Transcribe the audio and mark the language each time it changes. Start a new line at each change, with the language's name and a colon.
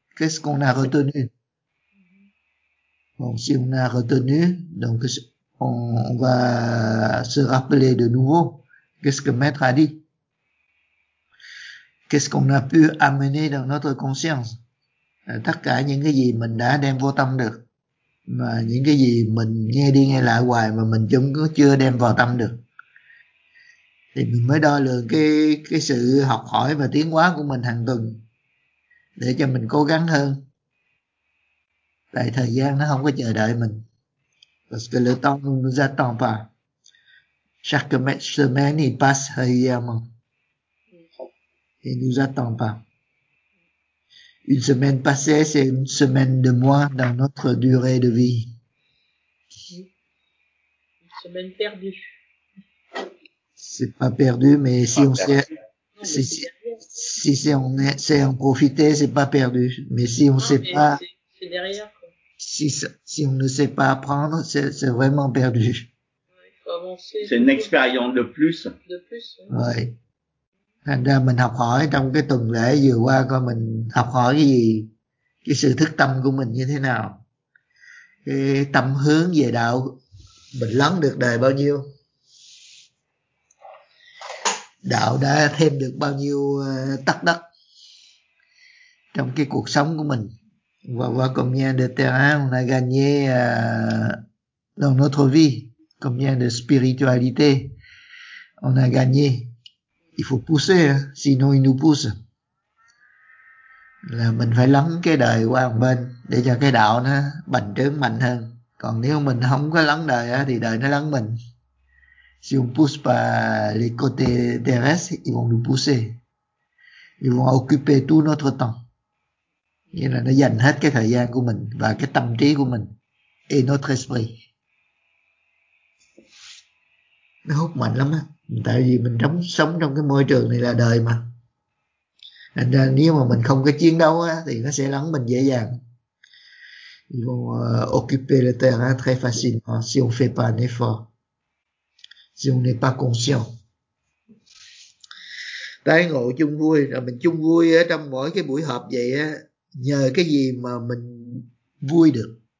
French: Qu'est-ce qu'on a retenu? Bon, si on a retenu, donc on va se rappeler de nouveau. Qu'est-ce que maître a dit? Qu'est-ce qu'on a pu amener dans notre conscience?
Vietnamese: Tất cả những cái gì mình đã đem vô tâm được, mà những cái gì mình nghe đi nghe lại hoài mà mình chưa đem vào tâm được, thì mình mới đo lường cái sự học hỏi và tiến hóa của mình hàng tuần để cho mình cố gắng hơn. Tại thời gian nó không có chờ đợi mình.
French: Parce que le temps ne nous attend pas. Chaque semaine il passe régulièrement. Il ne nous attend pas. Une semaine passée, c'est une semaine de moins dans notre durée de vie. Une semaine perdue. C'est pas perdu, mais si on sait, si on sait en profiter, c'est pas perdu. Mais si on sait pas, c'est derrière, quoi. Si on ne sait pas apprendre, c'est vraiment perdu. Ouais, il faut avancer. C'est une expérience de plus. De plus. Ouais. Ouais.
Vietnamese: Thành ra mình học hỏi trong cái tuần lễ vừa qua coi mình học hỏi cái gì, cái sự thức tâm của mình như thế nào, cái tâm hướng về đạo mình lắng được đời bao nhiêu, đạo đã thêm được bao nhiêu tắc đắc trong cái cuộc sống của mình. Và qua
French: combien de terrain on a gagné dans notre vie, combien de spiritualité on a gagné. Il faut pousser, sinon il nous pousse.
Vietnamese: Là mình phải lắng cái đời qua một bên để cho cái đạo nó bành trướng mạnh hơn. Còn nếu mình không có lắng đời thì đời nó lắng mình.
French: Si on pousse pas les côtés terrestres, ils vont nous pousser. Ils vont occuper tout notre temps.
Vietnamese: Nghĩa là nó dành hết cái thời gian của mình và cái tâm trí của mình.
French: Et notre esprit.
Vietnamese: Nó hút mạnh lắm á. Tại vì mình sống trong cái môi trường này là đời mà. Thành ra nếu mà mình không có chiến đấu á, thì nó sẽ lắng mình dễ dàng.
French: Ils vont occuper le terrain très facilement si on ne fait pas un effort. Si on n'est pas conscient.
Vietnamese: Tái ngộ chung vui. Là mình chung vui á, trong mỗi cái buổi họp vậy á. Nhờ cái gì mà mình vui được.